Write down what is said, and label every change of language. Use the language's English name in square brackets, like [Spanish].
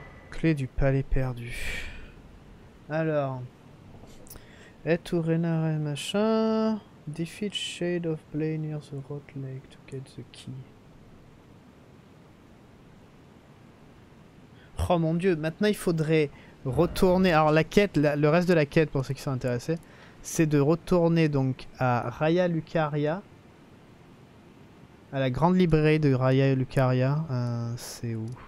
[French] Clé du palais perdu. Alors, et ou Renard et machin. [English] Defeat Shade of Blade near the Rot Lake to get the key. [French] Oh mon dieu, maintenant il faudrait retourner. Alors, la quête, le reste de la quête pour ceux qui sont intéressés, c'est de retourner donc à Raya Lucaria. À la grande librairie de Raya Lucaria. C'est où?